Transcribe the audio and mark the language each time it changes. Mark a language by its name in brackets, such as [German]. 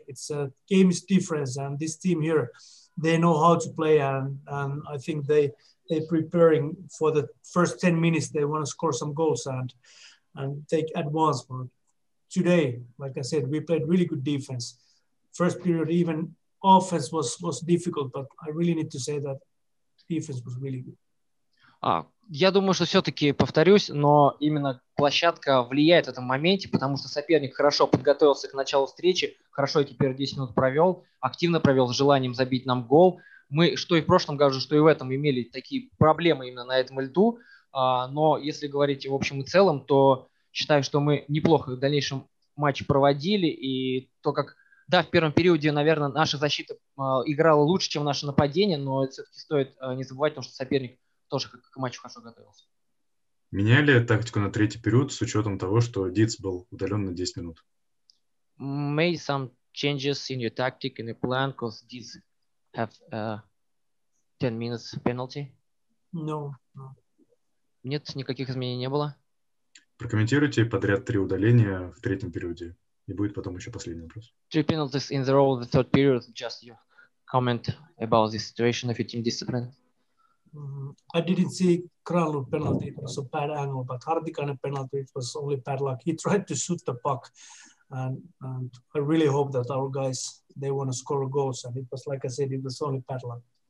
[English] It's a game is different, and this team here, they know how to play, and I think they're preparing for the first 10 minutes. They want to score some goals and take advance. But today, like I said, we played really good defense. First period, even offense was difficult, but I really need to say that defense was really good. [Russian] Я думаю, что все-таки повторюсь, но именно площадка влияет в этом моменте, потому что соперник хорошо подготовился к началу встречи, хорошо теперь 10 минут провел, активно провел с желанием забить нам гол. Мы, что и в прошлом году, что и в этом, имели такие проблемы именно на этом льду, но если говорить в общем и целом, то считаю, что мы неплохо в дальнейшем матч проводили, и то, как, да, в первом периоде, наверное, наша защита играла лучше, чем наше нападение, но это все-таки стоит не забывать, потому что соперник тоже к матчу хорошо готовился. Меняли тактику на третий период с учетом того, что Диц был удален на 10 минут? [English] Made some changes in your tactic in the plan because Diz have 10 minutes penalty? No. [Russian] Нет, никаких изменений не было. Прокомментируйте подряд три удаления в третьем периоде. И будет потом еще последний вопрос. [English] Three penalties in the row of the third period. Just your comment about the situation of your team discipline. I didn't see Kralu penalty. It was a bad angle, but Hartikainen penalty, it was only bad luck. He tried to shoot the puck, and I really hope that our guys, they want to score goals, and it was, like I said, it was only bad luck.